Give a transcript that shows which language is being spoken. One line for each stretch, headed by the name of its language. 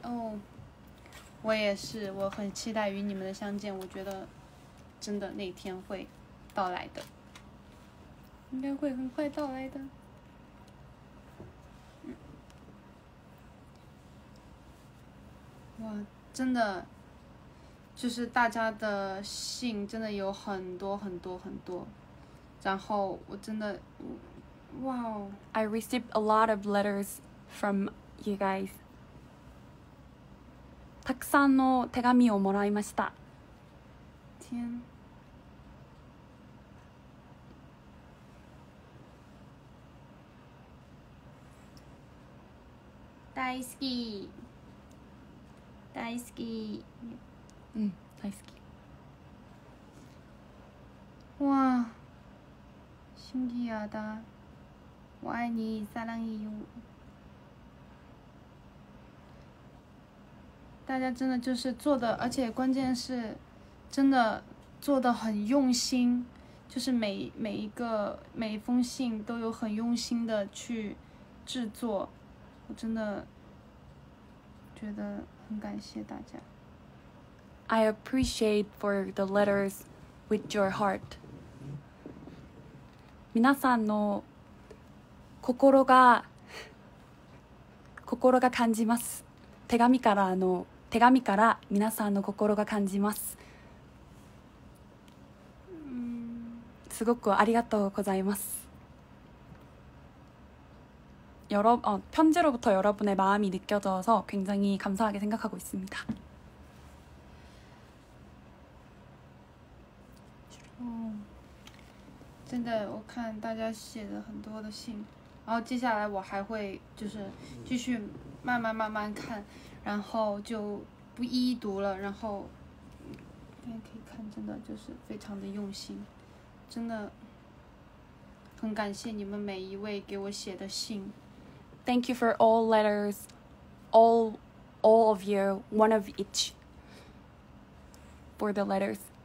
Chinese: 哦，我也是，我很期待与你们的相见，我觉得真的那天会到来的，应该会很快到来的。哇，真的就是大家的信真的有很多很多很多，然后我真的，哇
English: 哦！ I received a lot of letters from you guys.
Japanese: たくさんの手紙をもらいました。
Chinese: 天。
Japanese: 大好き。大好き。大好き。
Chinese: 哇，
Korean: 신기하다。
Chinese: 我爱你，
Korean: 사랑해요。
Chinese: 大家真的就是做的，而且关键是，真的做的很用心，就是每一封信都有很用心的去制作，我真的觉得很感谢大家。
English: I appreciate for the letters with your heart.
Japanese: 皆さんの心が感じます。手紙から皆さんの心が感じます。すごくありがとうございます。
Korean: 편지로부터여러분의마음이느껴져서굉장히감사하게생각하고있습니다
Chinese: 真的，我看大家写了很多的信，然后接下来我还会就是继续慢慢慢慢看，然后就不一一读了。然后大家可以看，真的就是非常的用心，真的很感谢你们每一位给我写的信。
English: Thank you for all letters, all of you, one of each for the letters.